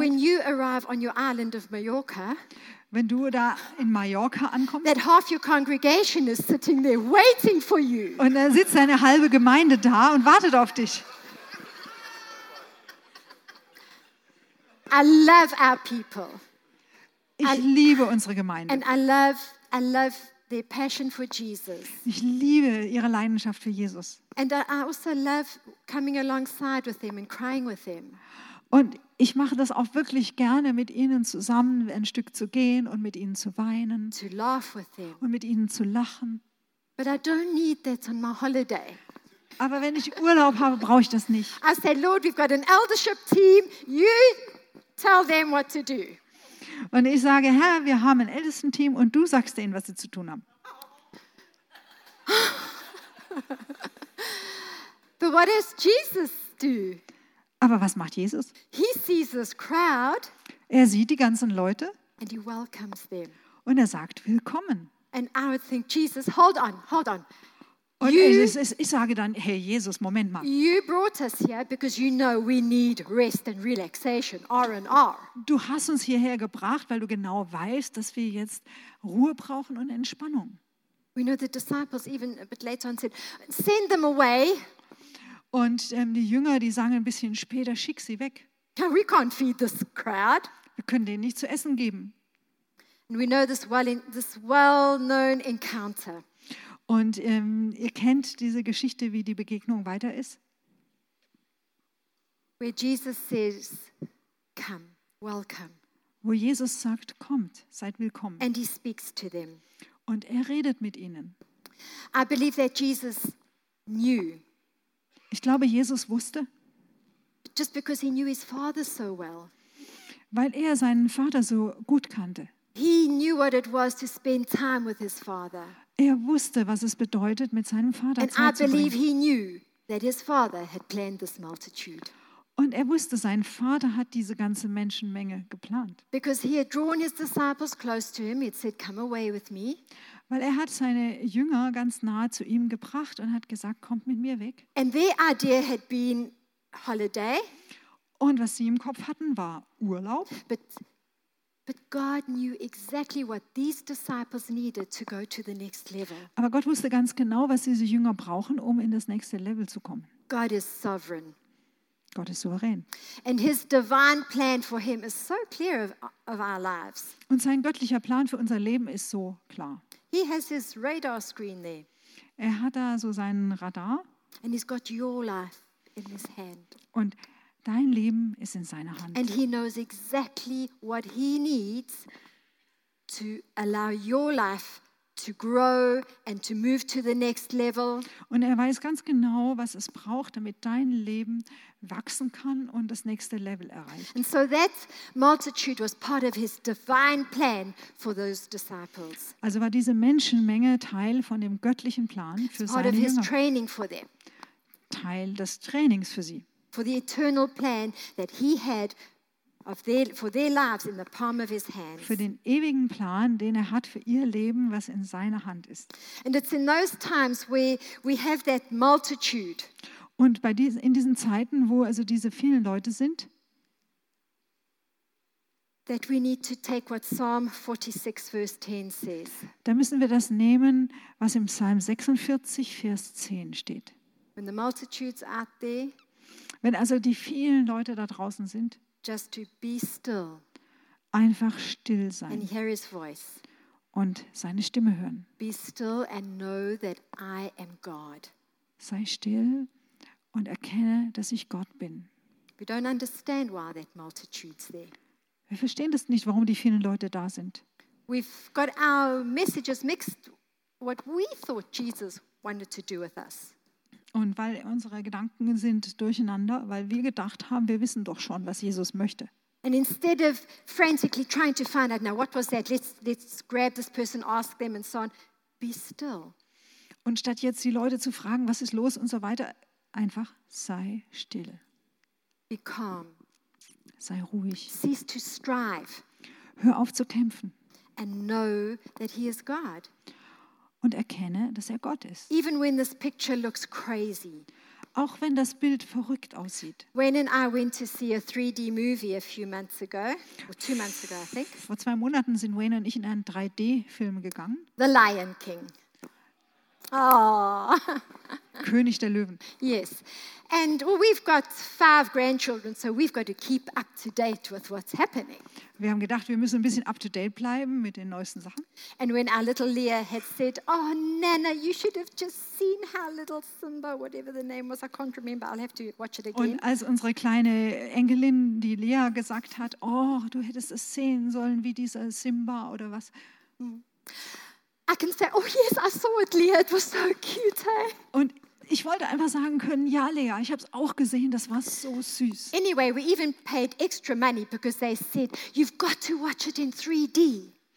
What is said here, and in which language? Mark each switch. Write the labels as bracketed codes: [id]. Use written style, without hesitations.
[en] When you arrive on your island of Mallorca. [de] Wenn du da in Mallorca ankommst. [en] That half your congregation is sitting there waiting for you. [de] Und da sitzt eine halbe Gemeinde da und wartet auf dich. [en] I love our people. [de] Ich liebe unsere Gemeinde. [en] And I love their passion for Jesus. [de] Ich liebe ihre Leidenschaft für Jesus. [en] And I also love coming alongside with them and crying with them. [de] Und ich mache das auch wirklich gerne, mit ihnen zusammen ein Stück zu gehen und mit ihnen zu weinen. [en] To laugh with them. [de] Und mit ihnen zu lachen. [en] But I don't need that on my holiday. [de] Aber wenn ich Urlaub habe, brauche ich das nicht. [en] I say, Lord, we've got an eldership team. You tell them what to do. [de] Und ich sage, Herr, wir haben ein Ältestenteam und du sagst denen, was sie zu tun haben. [en] But what does Jesus do? [de] Aber was macht Jesus? [en] He sees this crowd. [de] Er sieht die ganzen Leute. [en] And he welcomes them. [de] Und er sagt willkommen. [en] And I would think, Jesus, hold on. [de] Und ich sage dann, hey Jesus, Moment mal. [en] You brought us here because you know we need rest and relaxation, R&R. [de] Du hast uns hierher gebracht, weil du genau weißt, dass wir jetzt Ruhe brauchen und Entspannung. [en] We know the disciples even a bit later on said, send them away. [de] Und die Jünger, die sagen ein bisschen später, schick sie weg. [en] Yeah, we can't feed this crowd. [de] Wir können denen nicht zu essen geben. [en] And we know this well-known encounter. [de] Und ihr kennt diese Geschichte, wie die Begegnung weiter ist. [en] Where Jesus says, come, welcome. [de] Wo Jesus sagt, kommt, seid willkommen. [en] And he speaks to them. [de] Und er redet mit ihnen. [en] I believe that Jesus knew. [de] Ich glaube, Jesus wusste. [en] Just because he knew his father so well. [de] Weil er seinen Vater so gut kannte. [en] He knew what it was to spend time with his father. [de] Er wusste, was es bedeutet, mit seinem Vater Zeit zu verbringen. [en] And I believe he knew that his father had planned this multitude. [de] Und er wusste, sein Vater hat diese ganze Menschenmenge geplant. [en] Because he had drawn his disciples close to him, he had said, "Come away with me." [de] Weil er hat seine Jünger ganz nahe zu ihm gebracht und hat gesagt, kommt mit mir weg. [en] And their idea had been holiday. [de] Und was sie im Kopf hatten, war Urlaub. [en] But God knew exactly what these disciples needed to go to the next level. [de] Aber Gott wusste ganz genau, was diese Jünger brauchen, um in das nächste Level zu kommen. [en] God is sovereign. [de] Gott ist souverän. [en] And his divine plan for him is so clear of our lives. [de] Und sein göttlicher Plan für unser Leben ist so klar. [en] He has his radar screen there. [de] Er hat da so seinen Radar. [en] And he's got your life in his hand. [de] Und dein Leben ist in seiner Hand. [en] And he knows exactly what he needs to allow your life to grow and to move to the next level. [de] Und er weiß ganz genau, was es braucht, damit dein Leben wachsen kann und das nächste Level erreicht. [en] And so that multitude was part of his divine plan for those disciples. [de] Also war diese Menschenmenge Teil von dem göttlichen Plan für seine Jünger. [en] Part of his training for them. [de] Teil des Trainings für sie. [en] For the eternal plan that he had of their, for their lives in the palm of his hand. [de] Für den ewigen Plan, den er hat für ihr Leben, was in seiner Hand ist. [en] And it's in those times where we have that multitude. [de] Und bei diesen, in diesen Zeiten, wo also diese vielen Leute sind, [en] that we need to take what Psalm 46 verse 10 says. [de] Da müssen wir das nehmen, was im Psalm 46 Vers 10 steht. [en] When the multitudes out there, [de] wenn also die vielen Leute da draußen sind, [en] just to be still, [de] einfach still sein [en] and hear his voice, [de] und seine Stimme hören. [en] Be still and know that I am God. [de] Sei still und erkenne, dass ich Gott bin. [en] We don't understand why that multitude's there. [de] Wir verstehen das nicht, warum die vielen Leute da sind. [en] We've got our messages mixed what we thought Jesus wanted to do with us. [de] Und weil unsere Gedanken sind durcheinander, weil wir gedacht haben, wir wissen doch schon, was Jesus möchte. [en] And instead of frantically trying to find out, now what was that? Let's grab this person, ask them and so on. Be still. [de] Und statt jetzt die Leute zu fragen, was ist los und so weiter, einfach sei still. [en] Be calm. [de] Sei ruhig. [en] Cease to strive. [de] Hör auf zu kämpfen. [en] And know that he is God. [de] Und erkenne, dass er Gott ist. [en] Even when this picture looks crazy. [de] Auch wenn das Bild verrückt aussieht. [en] When and I went to see a 3D movie a few months ago, or 2 months ago, I think. [de] Vor 2 Monaten sind Wayne und ich in einen 3D-Film gegangen. [en] The Lion King. Oh. [de] König der Löwen. [en] Yes. And well, we've got 5 grandchildren, so we've got to keep up to date with what's happening. [de] Wir haben gedacht, wir müssen ein bisschen up to date bleiben mit den neuesten Sachen. [en] And when our little Leah had said, oh, Nana, you should have just seen how little Simba, whatever the name was, I can't remember, I'll have to watch it again. [de] Und als unsere kleine Enkelin, die Leah, gesagt hat, oh, du hättest es sehen sollen, wie dieser Simba oder was. [en] I can say, oh yes, I saw it, Leah, it was so cute, hey? [de] Und ich wollte einfach sagen können, ja, Lea, ich habe es auch gesehen, das war so süß. [en] Anyway, we even paid extra money because they said, you've got to watch it in 3D.